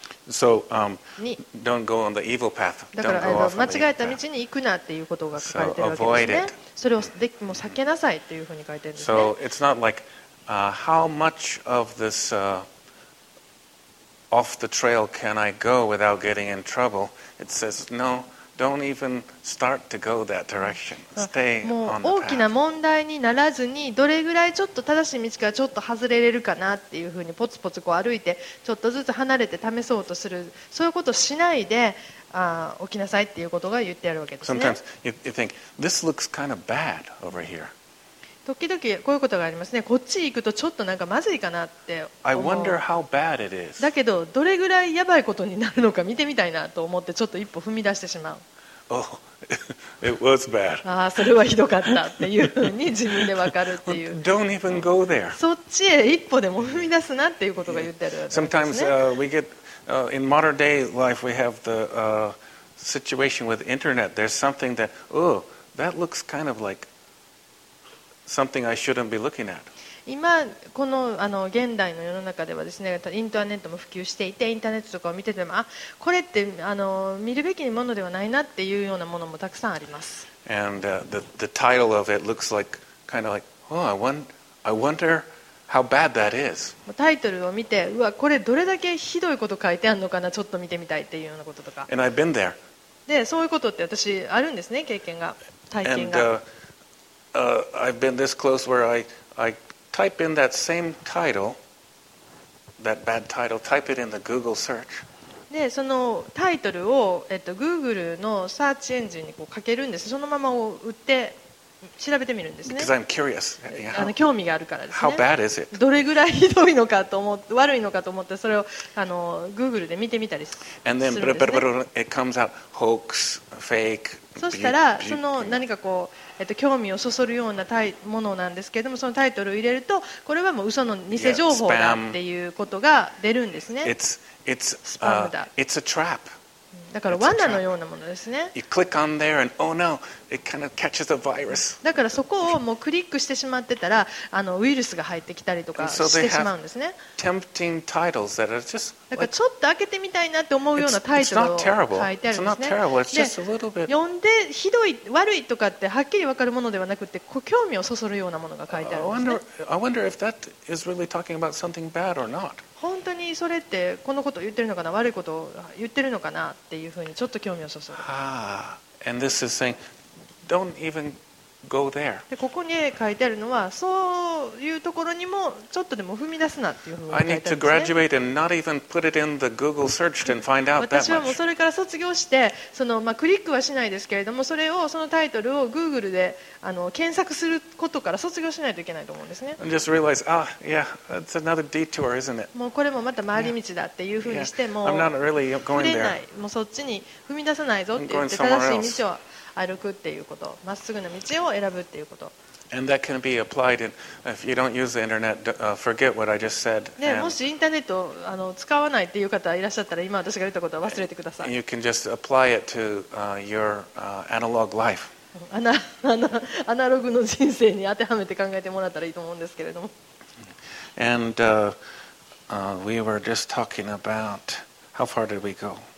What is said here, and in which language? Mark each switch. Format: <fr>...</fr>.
<en>So, don't go on the evil path.</en> <ja>だから、間違えた道に行くなっていうことが書かれてるわけですね。それをでも避けなさいというふうに書いてるんですね。</ja> <en>So, it's not like, how much of this, off the trail can I go without getting in trouble? It says, no, don't even start to go that direction. Stay on the path.</en> <ja>もう大きな問題にならずに、どれぐらいちょっと正しい道からちょっと外れれるかなっていうふうにポツポツこう歩いて、ちょっとずつ離れて試そうとする、そういうことをしないで、起きなさいっていうことが言ってあるわけですね。</ja> <en>Sometimes you think, this looks kind of bad over here.</en> <ja>時々こういうことがありますね。こっち行くとちょっとなんかまずいかなって思う。</ja> <en>I wonder how bad it is.</en> <ja>だけど、どれぐらいやばいことになるのか見てみたいなと思って、ちょっと一歩踏み出してしまう。</ja> <en>Oh, it was bad.</en> <ja>ああ、それはひどかったっていうふうに自分でわかるっていう。</ja> <en>Don't even go there.</en> <ja>そっちへ一歩でも踏み出すなっていうことが言ってるわけですね。</ja> <en>Sometimes, we get, in modern day life, we have the, situation with internet. There's something that, oh, that looks kind of like something I shouldn't be looking at.</en> <ja>今この現代の世の中ではですね、インターネットも普及していて、インターネットとかを見てても、あ、これって見るべきものではないなっていうようなものもたくさんあります。</ja> <en>And the title of it looks like kind of like, oh, I wonder how bad that is.</en> <ja>タイトルを見て、うわ、これどれだけひどいこと書いてあるのかな、ちょっと見てみたいっていうようなこととか。</ja> <en>And I've been there.</en> <ja>で、そういうことって私あるんですね、経験が、体験が。</ja> <en>I've been this close where I type in that same title, that bad title, type it in the Google search.</en> <ja>で、そのタイトルを、Google のサーチエンジンにこうかけるんです。そのままを打って調べてみるんですね。</ja> <en>Because I'm curious.</en> <ja>興味があるからですね。</ja> <en>How bad is it?</en> <ja>どれぐらいひどいのかと思って、悪いのかと思って、それを Google で見てみたりするんですね。</ja> <en>And then, blah, blah, blah, it comes out hoax, fake.</en> <ja>そしたら、その何かこう、興味をそそるようなものなんですけれども、そのタイトルを入れると、これはもう嘘の偽情報だっていうことが出るんですね。スパムだ。</ja> <en>It's a trap.</en> <ja>だから罠のようなものですね。</ja> <en>You click on there and, oh no, it kind of catches a virus.</en> <ja>だからそこをもうクリックしてしまってたら、ウイルスが入ってきたりとかしてしまうんですね。</ja> <en>Tempting titles that are just</en> <ja>だからちょっと開けてみたいなって思うようなタイトルを書いてあるんですね。</ja> <en>It's not terrible. It's just a little bit.</en> <ja>読んでひどい悪いとかってはっきり分かるものではなくて、興味をそそるようなものが書いてあるんですね。</ja> <en>I wonder if that is really talking about something bad or not.</en> <ja>本当にそれってこのことを言ってるのかな、悪いことを言ってるのかなっていうふうにちょっと興味をそそる。</ja> <en>And this is saying, don't even go there.</en> <ja>でここに書いてあるのは、そういうところにもちょっとでも踏み出すなっていうふうに書いてあるんですね。</ja> <en>I need to graduate and not even put it in the Google search and find out that much.</en> <ja>私はもうそれから卒業して、まあ、クリックはしないですけれども、それをそのタイトルを Google で検索することから卒業しないといけないと思うんですね。</ja> <en>And just realize, ah, yeah, that's another detour, isn't it?</en> <ja>もうこれもまた回り道だっていうふうにして、もう触れない、もうそっちに踏み出さないぞって言って正しい道を歩くっていうこと、まっすぐな道を選ぶっていうこと。</ja> <en>And that can be applied in, if you don't use the internet, forget what I just said.</en> <ja>ね、もしインターネットを使わないっていう方いらっしゃったら、今私が言ったことは忘れてください。</ja> <en>You can just apply it to your analog life.</en> <ja>アナログの人生に当てはめて考えてもらったらいいと思うんですけれども。</ja> <en>And we were just talking about how far did we go?</en>